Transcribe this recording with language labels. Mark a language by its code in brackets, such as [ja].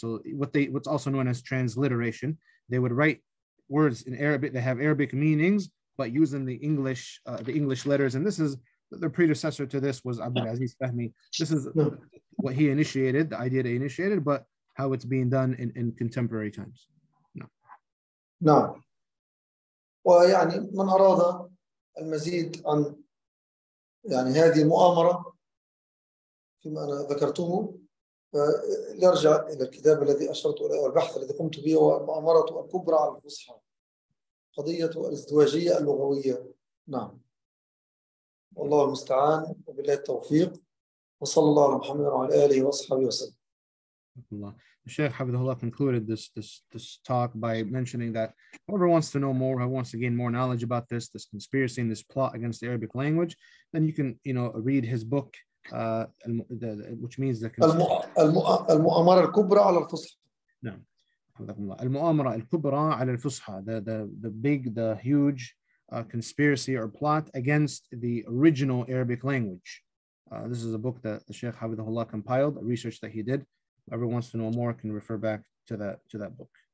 [en] So what's also known as transliteration, they would write words in Arabic that have Arabic meanings but using the English letters. And this is the predecessor to this was Abdulaziz Fahmy. This is what he initiated, the idea they initiated, but how it's being done in contemporary times. [ar] نعم، ويعني من أراد المزيد عن يعني هذه المؤامرة فيما أنا ذكرته يرجع إلى الكتاب الذي أشرت إليه والبحث الذي قمت به، والمؤامرة الكبرى على الفصحى، قضية الازدواجية اللغوية. نعم، والله المستعان وبالله التوفيق. وصلى الله على محمد وعلى آله وصحبه وسلم. Allah. [en] The Sheikh Hafidhullah concluded this talk by mentioning that whoever wants to know more, who wants to gain more knowledge about this conspiracy and this plot against the Arabic language, then you can, you know, read his book, which means the [ar] المؤامرة الكبرى على الفصحى. نعم. المؤامرة الكبرى على الفصحى. [en] The big, the huge conspiracy or plot against the original Arabic language. This is a book that the Sheikh Hafidhullah compiled, a research that he did. Whoever wants to know more can refer back to that book.